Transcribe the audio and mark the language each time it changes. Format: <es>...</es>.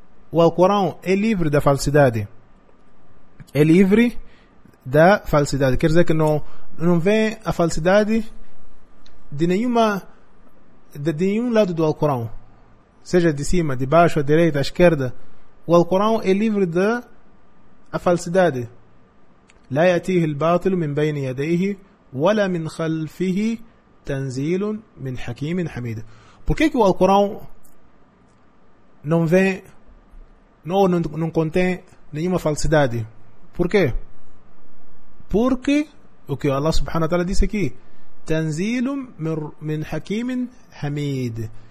<pt>o Alcorão é livre da falsidade. É livre da falsidade. Quer dizer que não vem a falsidade de nenhum lado do Alcorão. Seja de cima, de baixo, à direita, à esquerda. O Alcorão é livre da a falsidade.</pt> <ar>لا يأتيه الباطل من بين يديه ولا من خلفه تنزيل من حكيم حميد.</ar> <pt>Por que que o Alcorão não vem, não contém nenhuma falsidade? Por quê? Porque o que Allah subhanahu wa ta'ala disse aqui,</pt> <ar>تنزيل من حكيم حميد.</ar>